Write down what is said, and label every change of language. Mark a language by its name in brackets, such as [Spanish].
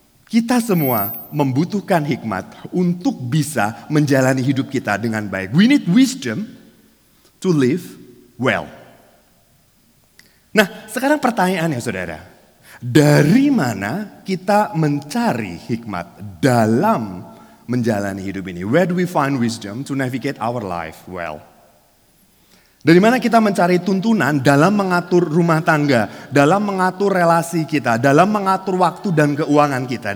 [Indonesian] Kita semua membutuhkan hikmat untuk bisa menjalani hidup kita dengan baik. [English] We need wisdom to live well. [Indonesian] Nah, sekarang pertanyaannya, saudara. Dari mana kita mencari hikmat dalam menjalani hidup ini? [English] Where do we find wisdom to navigate our life well? [Indonesian] Dari mana kita mencari tuntunan dalam mengatur rumah tangga, dalam mengatur relasi kita, dalam mengatur waktu dan keuangan kita?